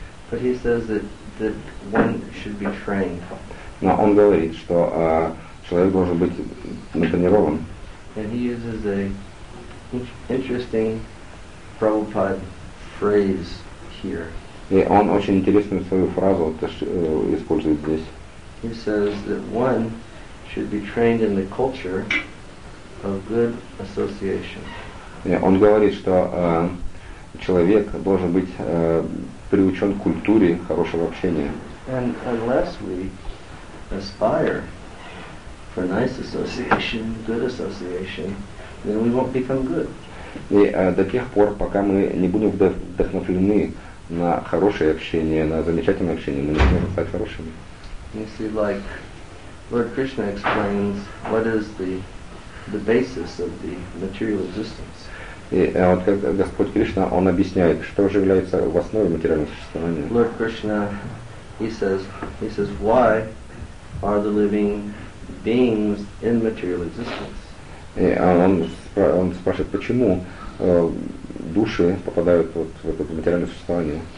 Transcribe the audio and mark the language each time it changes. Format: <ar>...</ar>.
<en>But he says that one should be trained.</en> <ru>Но он говорит, что человек должен быть натренирован.</ru> <en>And he uses a interesting Prabhupada phrase here.</en> <ru>И он очень интересную свою фразу использует здесь.</ru> <en>He says that one should be trained in the culture of good association.</en> <ru>И он говорит, что человек должен быть приучен к культуре хорошего общения.</ru> <en>And unless we aspire for nice association, good association, then we won't become good.</en> <ru>И до тех пор, пока мы не будем вдохновлены на хорошее общение, на замечательное общение, мы не сможем стать хорошими.</ru> <en>You see, like Lord Krishna explains, what is the basis of the material existence?</en> <ru>И вот как Господь Кришна, он объясняет, что же является в основе материального существования.</ru> <en>Lord Krishna, he says, why are the living beings in material existence.</en> <ru>Он спрашивает, почему души попадают в это материальное существование?</ru>